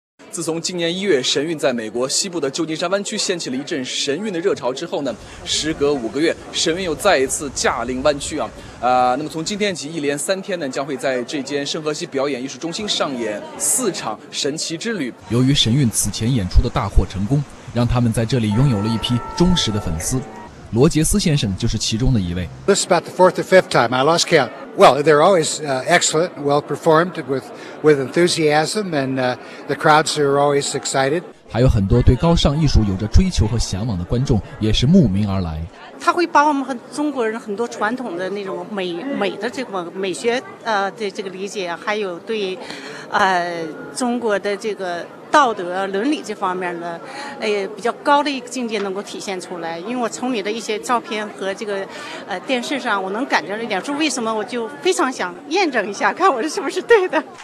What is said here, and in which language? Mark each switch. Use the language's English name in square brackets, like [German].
[Chinese] 自从今年1月神韵在美国西部的旧金山湾区掀起了一阵神韵的热潮之后呢，时隔5个月，神韵又再一次驾临湾区啊。那么从今天起1连3天呢，将会在这间圣何西表演艺术中心上演4场神奇之旅。由于神韵此前演出的大获成功，让他们在这里拥有了一批忠实的粉丝。罗杰斯先生就是其中的一位。 [English] This is about the fourth or fifth time. I lost count. Well, they're always excellent, well performed with enthusiasm, and the crowds are always excited. [Chinese] 还有很多对高尚艺术有着追求和向往的观众也是慕名而来。他会把我们和中国人很多传统的那种美的这个美学的这个理解，还有对中国的这个。道德伦理这方面的比较高的一个境界能够体现出来，因为我从你的一些照片和这个电视上我能感觉到一点，说为什么我就非常想验证一下看我是不是对的。